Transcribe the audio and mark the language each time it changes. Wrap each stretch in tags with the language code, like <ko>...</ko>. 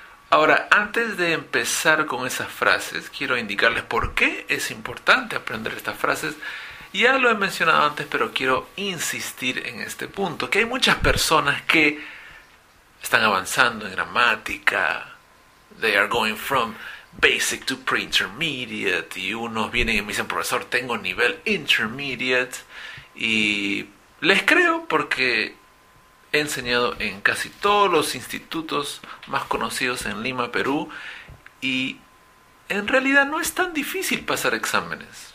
<es>Ahora, antes de empezar con esas frases, quiero indicarles por qué es importante aprender estas frases. Ya lo he mencionado antes, pero quiero insistir en este punto, que hay muchas personas que están avanzando en gramática.</es> <en>They are going from basic to pre-intermediate.</en> <es>Y unos vienen y me dicen, profesor, tengo nivel intermediate. Y les creo porque he enseñado en casi todos los institutos más conocidos en Lima, Perú. Y en realidad no es tan difícil pasar exámenes.</es>